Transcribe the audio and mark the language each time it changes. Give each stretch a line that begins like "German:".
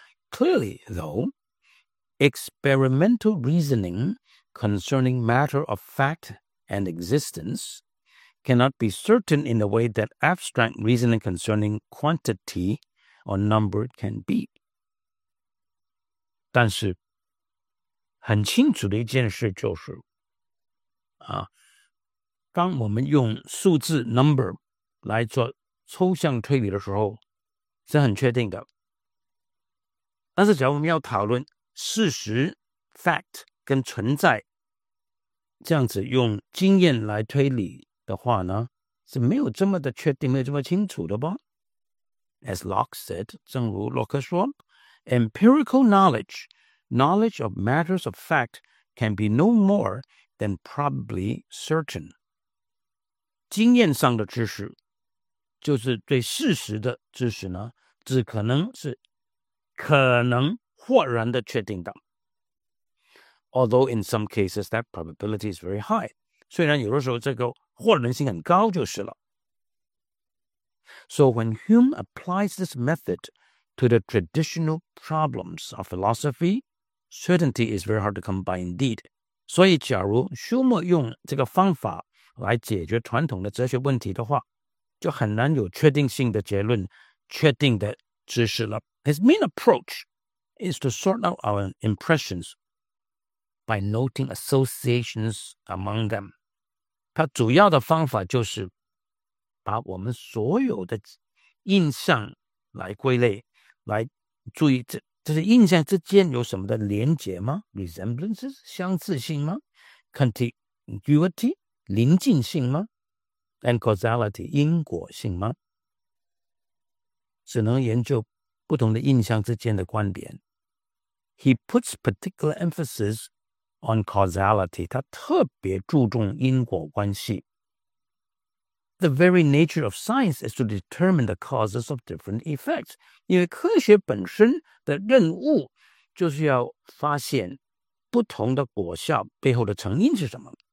English: Clearly, though, experimental reasoning concerning matter of fact and existence cannot be certain in the way that abstract reasoning concerning quantity or number can be.
Chinese: 但是很清楚的一件事就是啊，当我们用数字 number 来做抽象推理的时候是很确定的，但是假如我们要讨论事实 fact 跟存在，这样子用经验来推理的话呢，是没有这么的确定，没有这么清楚的吧。
English: As Locke said,
Chinese: 正如洛克说，
English: Empirical knowledge, knowledge of matters of fact, can be no more than probably certain.
Chinese: 经验上的知识，就是对事实的知识呢，只可能是可能豁然的确定的。
English: Although in some cases that probability is very high.
Chinese: 虽然有的时候这个豁然性很高就是了。
English: So when Hume applies this method to the traditional problems of philosophy, certainty is very hard to come by indeed.
Chinese: 所以假如休谟用这个方法来解决传统的哲学问题的话，就很难有确定性的结论，确定的知识了。
English: His main approach is to sort out our impressions by noting associations among them.
Chinese: 他主要的方法就是把我们所有的印象来归类，来注意 这些印象之间有什么的连结吗？ Resemblances, 相似性吗？ Contiguity, 临近性吗？ And causality, 因果性吗？只能研究不同的印象之间的关联。
English: He puts particular emphasis on causality,
Chinese: 他特别注重因果关系。
English: The very nature of science is to determine the causes of different effects.
Chinese: 因为科学本身的任务就是要发现不同的果效背后的成因是什么。